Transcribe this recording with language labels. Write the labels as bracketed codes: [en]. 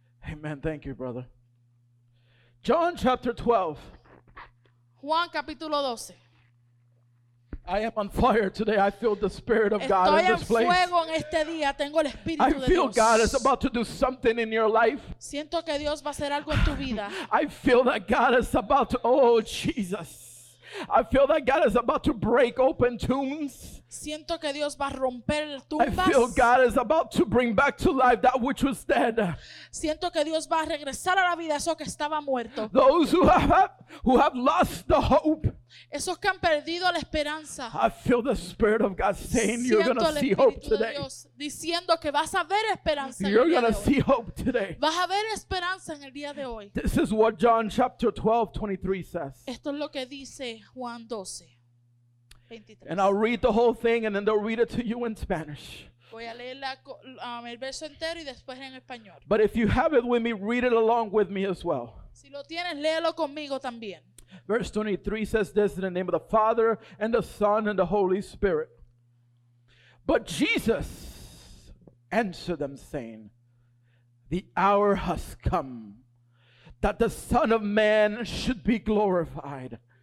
[en] Amen. Thank you, brother. John chapter 12. [es] Juan capítulo 12. [en] I am on fire today. I feel the spirit of God [es] estoy [en] in this place. [es] Fuego en este día. Tengo el espíritu [en] I feel [es] de Dios. [en] God is about to do something in your life. [es] Siento que Dios va a hacer algo en tu vida. [en] I feel that God is about to, oh Jesus. I feel that God is about to break open tombs. [es] Siento que Dios va a romper tumbas. [en] I feel God is about to bring back to life that which was dead. [es] Siento que Dios va a regresar a la vida eso que estaba muerto. [en] Those who have lost the hope. [es] Esos que han perdido la esperanza. [en] I feel the Spirit of God saying you're going to see hope today. [es] Diciendo que vas a ver esperanza. [en] You're going to see hope today. [es] Vas a ver esperanza en el día de hoy. [en] This is what John chapter 12, 23 says. [es] Esto es lo que dice Juan 12, 23. [en] And I'll read the whole thing and then they'll read it to you in Spanish. [es] Voy a leer el verso entero y después en español. [en] But if you have it with me, read it along with me as well. [es] Si lo tienes, léelo conmigo también. [en] Verse 23 says this in the name of the Father and the Son and the Holy Spirit. But Jesus answered them saying, the hour has come that the Son of Man should be glorified.